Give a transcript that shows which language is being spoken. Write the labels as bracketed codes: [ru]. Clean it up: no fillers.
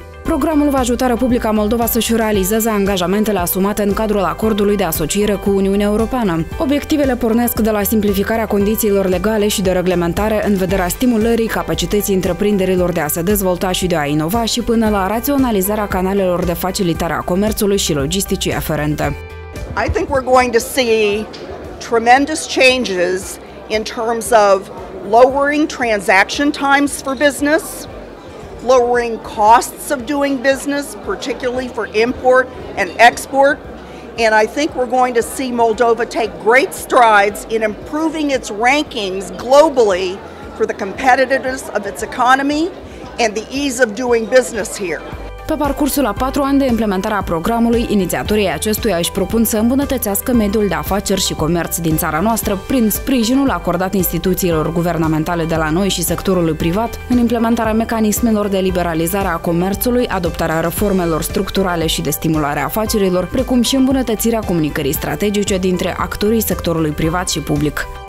[ro] Programul va ajuta Republica Moldova să-și realizeze angajamentele asumate în cadrul acordului de asociere cu Uniunea Europeană. Obiectivele pornesc de la simplificarea condițiilor legale și de reglementare în vederea stimulării capacității întreprinderilor de a se dezvolta și de a inova și până la raționalizarea canalelor de facilitare a comerțului și logisticii aferente. [en] I think we're going to see tremendous changes in terms of lowering transaction times for business, lowering costs of doing business, particularly for import and export. And I think we're going to see Moldova take great strides in improving its rankings globally for the competitiveness of its economy and the ease of doing business here. [ro] Pe parcursul a 4 ani de implementare a programului, inițiatorii acestuia își propun să îmbunătățească mediul de afaceri și comerț din țara noastră prin sprijinul acordat instituțiilor guvernamentale de la noi și sectorului privat, în implementarea mecanismelor de liberalizare a comerțului, adoptarea reformelor structurale și de stimulare a afacerilor, precum și îmbunătățirea comunicării strategice dintre actorii sectorului privat și public.